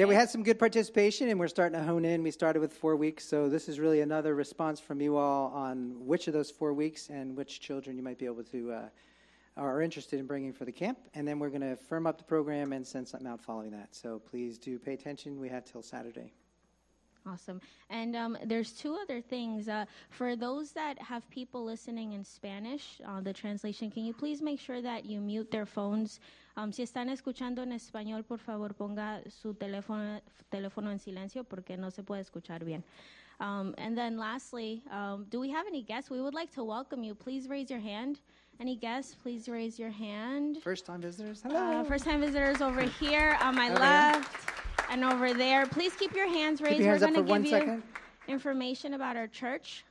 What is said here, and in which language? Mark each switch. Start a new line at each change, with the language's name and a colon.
English: Yeah, we had some good participation, and we're starting to hone in. We started with 4 weeks, so this is really another response from you all on which of those 4 weeks and which children you might be able to are interested in bringing for the camp, and then we're going to firm up the program and send something out following that. So please do pay attention. We have till Saturday. Awesome. And there's two other things. For those that have people listening in Spanish, the translation, can you please make sure that you mute their phones?
Spanish: Si están escuchando en español, por favor, ponga su teléfono en silencio porque no se puede escuchar bien.
English: And then lastly, do we have any guests? We would like to welcome you. Please raise your hand. Any guests, please raise your hand. First-time visitors, hello. First-time visitors over here on my left and over there. Please keep your hands raised. Keep your hands We're going to give second. You information about our church.